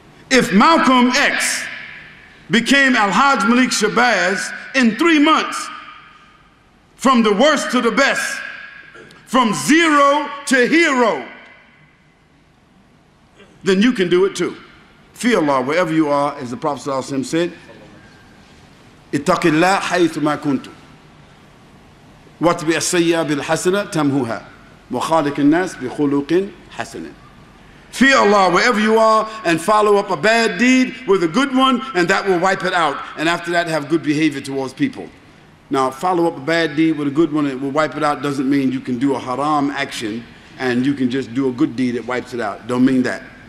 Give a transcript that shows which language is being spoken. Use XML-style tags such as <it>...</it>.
<en>If Malcolm X became Al-Hajj Malik Shabazz in 3 months, from the worst to the best, from zero to hero, then you can do it too. Fear Allah wherever you are, as the Prophet ﷺ said,</en> <ar>اتَّقِ اللَّهَ حَيْثُ مَا كُنْتُ وَاتْبِعَ السَّيِّئَةَ بِالْحَسَنَةِ تَمْهُهَا. وَخَالِقِ النَّاسِ بِخُلُقٍ حَسَنٍ.</ar> <en>Fear Allah wherever you are and follow up a bad deed with a good one, and that will wipe it out. And after that, have good behavior towards people. Now, follow up a bad deed with a good one, it will wipe it out, doesn't mean you can do a haram action and you can just do a good deed, it wipes it out. Don't mean that.</en>